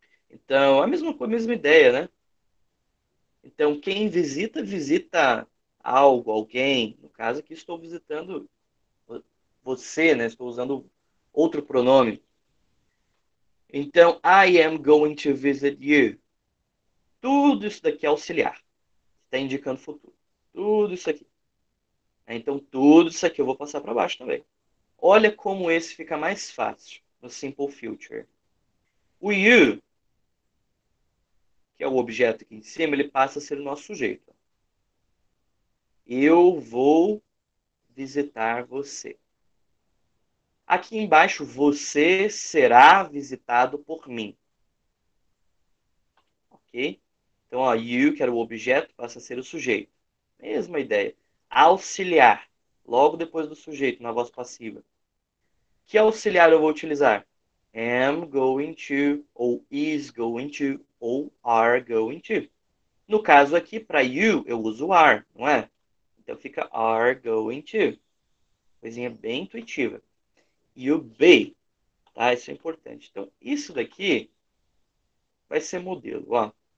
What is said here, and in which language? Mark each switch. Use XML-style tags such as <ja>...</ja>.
<pt>Então, a mesma ideia, né? Então, quem visita, visita algo, alguém. No caso aqui, estou visitando você, né? Estou usando outro pronome.</pt> <en>Então, I am going to visit you.</en> <pt>Tudo isso daqui é auxiliar. Está indicando futuro. Tudo isso aqui. Então, tudo isso aqui eu vou passar para baixo também. Olha como esse fica mais fácil no simple future. O you, que é o objeto aqui em cima, ele passa a ser o nosso sujeito. Eu vou visitar você. Aqui embaixo, você será visitado por mim. Ok? Então, ó, you, que era o objeto, passa a ser o sujeito. Mesma ideia. Auxiliar, logo depois do sujeito, na voz passiva. Que auxiliar eu vou utilizar?</pt> <en>Am going to, ou is going to, ou are going to.</en> <pt>No caso aqui, para you, eu uso are, não é? Então, fica</pt> <en>are going to.</en> <pt>Coisinha bem intuitiva.</pt> <en>You be.</en> <pt>Tá? Isso é importante. Então, isso daqui vai ser modelo, ó.</pt>